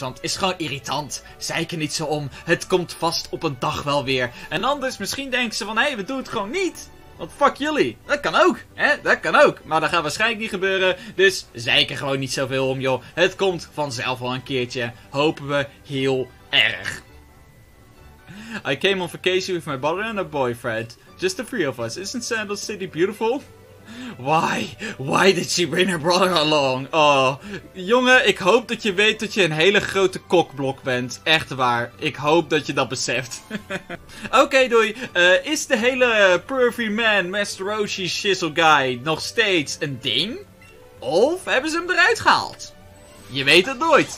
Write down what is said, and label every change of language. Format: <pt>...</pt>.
<nl>Want het is gewoon irritant. Zeik er niet zo om. Het komt vast op een dag wel weer. En anders, misschien denken ze van, hé, we doen het gewoon niet. Want fuck jullie. Dat kan ook. Hè? Dat kan ook. Maar dat gaat waarschijnlijk niet gebeuren. Dus zeik er gewoon niet zoveel om, joh. Het komt vanzelf wel een keertje. Hopen we heel erg.</nl> <en>I came on vacation with my brother and a boyfriend. Just the three of us. Isn't Sandal City beautiful? Why did she bring her brother along?</en> <nl>Oh, jongen, ik hoop dat je weet dat je een hele grote kokblok bent. Echt waar. Ik hoop dat je dat beseft. Oké, doei. Is de hele pervy man, Master Roshi shizzle guy nog steeds een ding? Of hebben ze hem eruit gehaald? Je weet het nooit.</nl>